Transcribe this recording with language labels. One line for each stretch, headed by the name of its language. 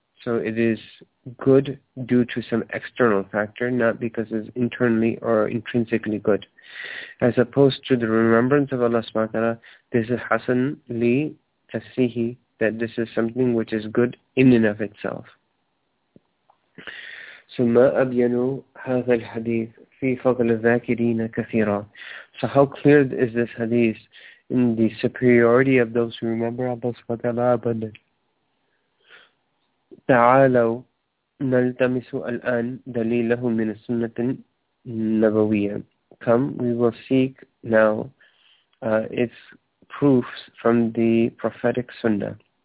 English: So it is good due to some external factor, not because it's internally or intrinsically good. As opposed to the remembrance of Allah subhanahu wa ta'ala, this is hasan li tasrihi, that this is something which is good in and of itself.
Arabic: So ما أبين هذا الحديث في فضل الذاكرين كثيرا.
English: So how clear is this hadith in the superiority of those who remember Allah subhanahu wa ta'ala abundantly.
Arabic: تعالوا نلتمس الآن دليله من السنة النبوية.
English: Come, we will seek now its proofs from the prophetic sunnah.